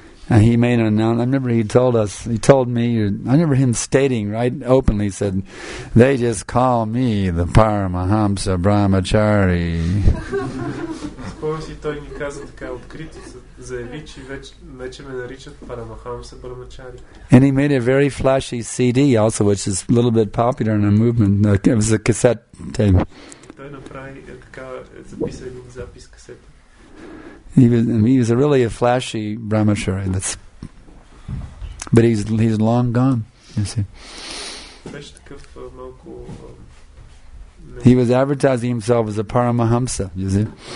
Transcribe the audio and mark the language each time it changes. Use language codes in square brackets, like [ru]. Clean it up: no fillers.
[en] And he made an announcement. I remember he told me stating right openly, he said, they just call me the Paramahamsa Brahmachari. [bg] Помни си, той ни каза така открито, заяви, че вече ме наричат Парамахамса Брамачари. [en] And he made a very flashy CD also, which is a little bit popular in our movement. It was a cassette tape. [bg] Той направи така, записа един запис касета. [en] He was a really a flashy Брамачари. But he's long gone, you see. [bg] Беше такъв малко... [en] He was advertising himself as a Paramahamsa, you see.